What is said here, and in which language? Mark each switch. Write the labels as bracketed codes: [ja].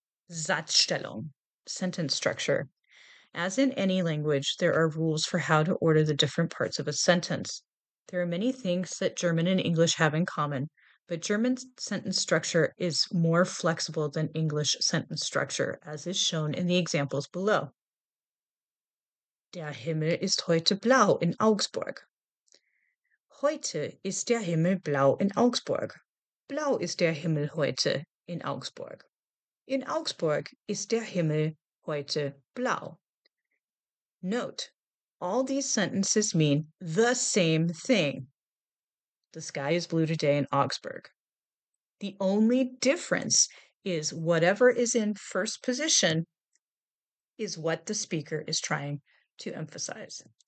[en] Satzstellung, sentence structure. As in any language, there are rules for how to order the different parts of a sentence. There are many things that German and English have in common, but German sentence structure is more flexible than English sentence structure, as is shown in the examples below. [de] Der Himmel ist heute blau in Augsburg. Heute ist der Himmel blau in Augsburg. Blau ist der Himmel heute in Augsburg. In Augsburg ist der Himmel heute blau. [en] Note, all these sentences mean the same thing. The sky is blue today in Augsburg. The only difference is whatever is in first position is what the speaker is trying to emphasize.